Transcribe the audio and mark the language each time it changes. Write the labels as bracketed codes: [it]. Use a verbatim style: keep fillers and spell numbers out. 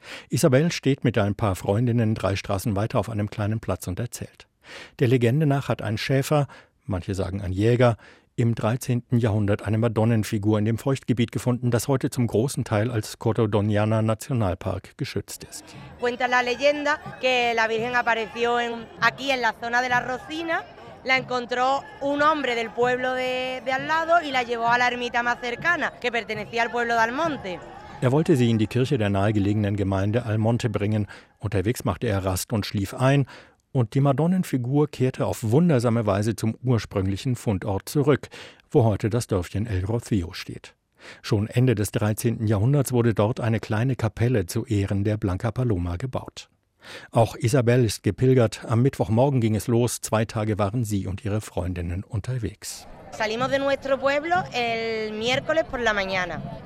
[de] Isabel steht mit ein paar Freundinnen drei Straßen weiter auf einem kleinen Platz und erzählt. Der Legende nach hat ein Schäfer, manche sagen ein Jäger, im dreizehnten Jahrhundert eine Madonnenfigur in dem Feuchtgebiet gefunden, das heute zum großen Teil als Cordonianer Nationalpark geschützt ist. [es] Cuenta la leyenda que la Virgen apareció aquí en la zona de la Rocina. La encontró un hombre del pueblo de al lado y la llevó a la ermita más cercana, que pertenecía al pueblo de Almonte. [de] Er wollte sie in die Kirche der nahegelegenen Gemeinde Almonte bringen. Unterwegs machte er Rast und schlief ein. Und die Madonnenfigur kehrte auf wundersame Weise zum ursprünglichen Fundort zurück, wo heute das Dörfchen El Rocío steht. Schon Ende des dreizehnten Jahrhunderts wurde dort eine kleine Kapelle zu Ehren der Blanca Paloma gebaut. Auch Isabel ist gepilgert. Am Mittwochmorgen ging es los. Zwei Tage waren sie und ihre Freundinnen unterwegs. [es] Salimos de nuestro pueblo el miércoles por la mañana.